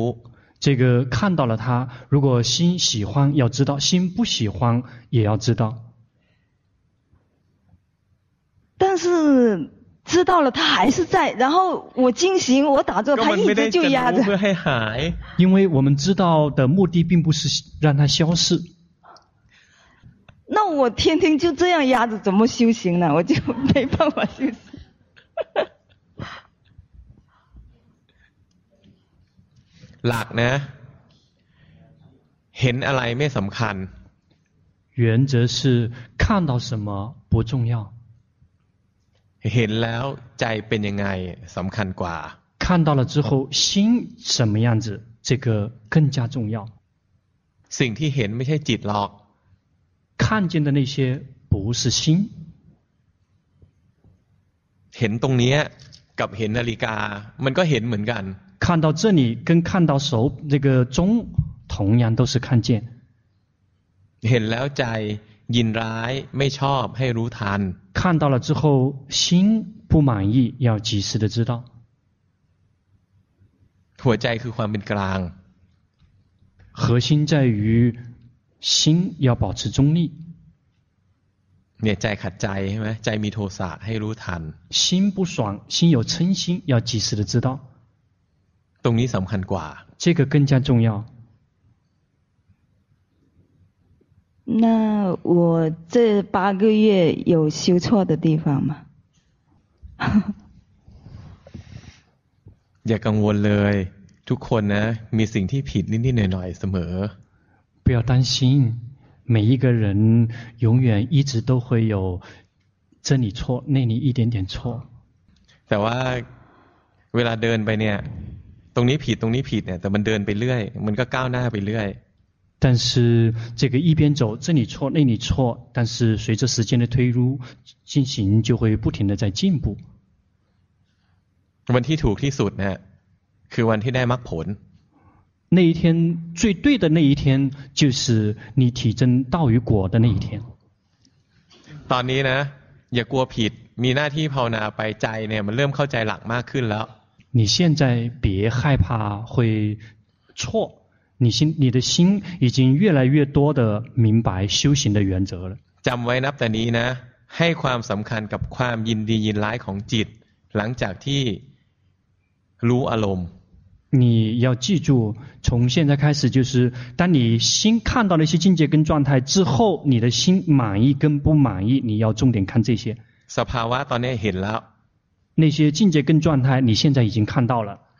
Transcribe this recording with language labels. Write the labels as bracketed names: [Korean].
[Chinese] 这个看到了他如果心喜欢要知道心不喜欢也要知道但是知道了他还是在然后我进行我打坐他一直就压着因为我们知道的目的并不是让他消失那我天天就这样压着怎么修行呢我就没办法修行 [Thai] หลักนะเห็นอะไรไม่สำคัญ [Chinese] 原则是看到什么不重要 [Thai] เห็นแล้วใจเป็นยังไงสำคัญกว่า [Chinese] 看到了之后心什么样子这个更加重要 [Thai] สิ่งที่เห็นไม่ใช่จิตหรอก [Chinese] 看见的那些不是心 [Thai] เห็นตรงนี้กับเห็นนาฬิกามันก็เห็นเหมือนกัน [Chinese] 看到这里跟看到手那个钟同样都是看见 [Thai] เห็นแล้วใจยินร้ายไม่ชอบให้รู้ทัน [Chinese] 看到了之后心不满意要及时的知道 [Thai] หัวใจคือความเป็นกลาง [Chinese] 核心在于心要保持中立 [Thai] เนี่ยใจขัดใจใช่ไหมใจมีโทสะให้รู้ทัน [Chinese] 心不爽心有嗔心要及时的知道 [Thai] ตรงนี้สำคัญกว่า [Chinese] 这个更加重要那我这八个月有修错的地方吗？ [Thai] อย่ากังวลเลยทุกคนนะมีสิ่งที่ผิดนิดๆหน่อยๆเสม [Chinese] อ不要担心每一个人永远一直都会有这里错那里一点点错 [Thai] แต่ว่าเวลาเดินไปเนี่ยตรงนี้ผิดตรงนี้ผิดเนี่ยแต่มันเดินไปเรื่อยมันก็ก้าวหน้าไปเรื่อย [Chinese] 但是这个一边走这里错那里错但是随着时间的推入进行就会不停的在进步 [Thai] วันที่ถูกที่สุดเนี่ยคือวันที่ได้มรรคผล [Chinese] 那一天最对的那一天就是你体证道与果的那一天 [Thai] ตอนนี้นะอย่ากลัวผิดมีหน้าที่ภาวนาไปใจเนี่ยมันเริ่มเข้าใจหลักมากขึ้นแล้ว [Chinese] 你现在别害怕会错你的心已经越来越多的明白修行的原则了 [Thai] จำไว้นับแต่นี้นะให้ความสำคัญกับความยินดียินร้ายของจิตหลังจากที่รู้อารมณ์ [Chinese] 你要记住从现在开始就是当你心看到了一些境界跟状态之后你的心满意跟不满意你要重点看这些 [Thai] สภาวะตอนนี้เห็นแล้ว [Chinese] 那些境界跟状态你现在已经看到了